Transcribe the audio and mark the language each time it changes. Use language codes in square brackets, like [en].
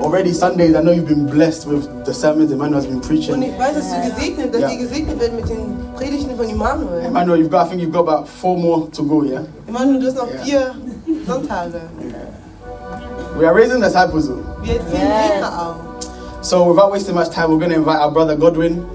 [en] Already Sundays, I know you've been blessed with the sermons Emmanuel has been preaching. [de] Und ich weiß, dass du gesegnet, dass ihr gesegnet werdet mit den Predigten von Emmanuel. [en] Emmanuel, you've got about 4 more to go, yeah? [de] Emmanuel, du hast noch 4 Sonntage. [en] We are raising disciples. Yes. So without wasting much time, we're going to invite our brother Godwin.